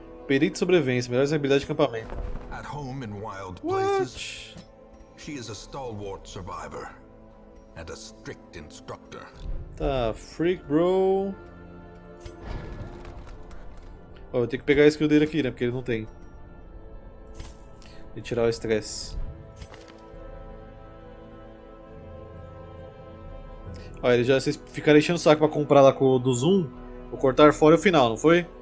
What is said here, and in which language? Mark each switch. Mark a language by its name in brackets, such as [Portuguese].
[Portuguese] Perito de sobrevivência, melhores habilidades de acampamento. [English] At home in wild What? places, she is a stalwart survivor and a strict instructor. [Portuguese] Tá, freak, bro. Ó, eu tenho que pegar a skill dele aqui, né? Porque ele não tem. E tirar o estresse. Ó, ele já. Vocês ficaram enchendo o saco pra comprar lá com o do Zoom? Vou cortar fora o final, não foi?